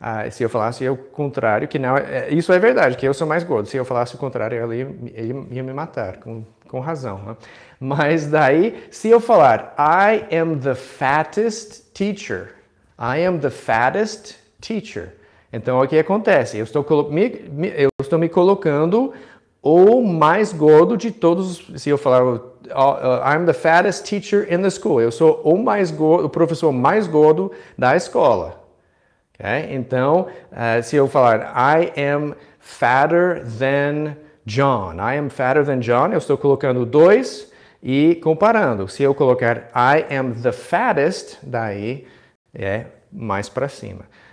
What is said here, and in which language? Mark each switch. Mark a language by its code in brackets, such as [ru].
[pt] Se eu falasse o contrário, que não, isso é verdade, que eu sou mais gordo. Se eu falasse o contrário, ele ia me matar, com razão. Né? Mas daí, se eu falar, [en] I am the fattest teacher. I am the fattest teacher. [pt] Então, o que acontece? Eu estou me colocando o mais gordo de todos. Se eu falar, [en] I'm the fattest teacher in the school. [pt] Eu sou o mais gordo, o professor mais gordo da escola. [en] Okay? [pt] Então, se eu falar, [en] I am fatter than John. I am fatter than John. [pt] Eu estou colocando dois e comparando. Se eu colocar, [en] I am the fattest, [pt] daí é mais para cima.